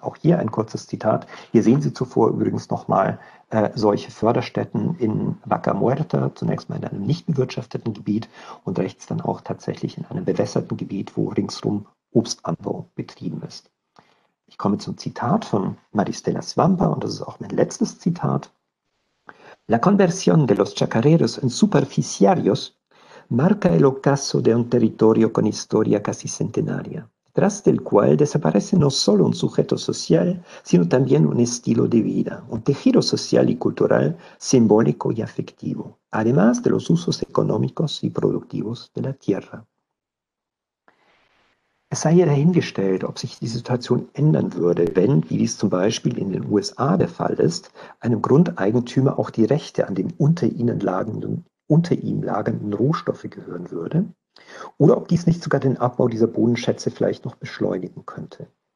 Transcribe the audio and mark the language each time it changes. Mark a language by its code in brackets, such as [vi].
[de] Auch hier ein kurzes Zitat. Hier sehen Sie zuvor übrigens nochmal solche Förderstätten in Vaca Muerta, zunächst mal in einem nicht bewirtschafteten Gebiet und rechts dann auch tatsächlich in einem bewässerten Gebiet, wo ringsum Obstanbau betrieben ist. Ich komme zum Zitat von Maristela Svampa und das ist auch mein letztes Zitat. [es] La conversión de los chacareros en superficiarios marca el ocaso de un territorio con historia casi centenaria, tras del cual desaparece no solo un sujeto social, sino también un estilo de vida, un tejido social y cultural simbólico y afectivo, además de los usos económicos y productivos de la tierra. [de] Es sei hier dahingestellt, ob sich die Situation ändern würde, wenn, wie dies zum Beispiel in den USA der Fall ist, einem Grundeigentümer auch die Rechte an dem unter ihm lagernden Rohstoffe gehören würde, oder ob dies nicht sogar den Abbau dieser Bodenschätze vielleicht noch beschleunigen könnte.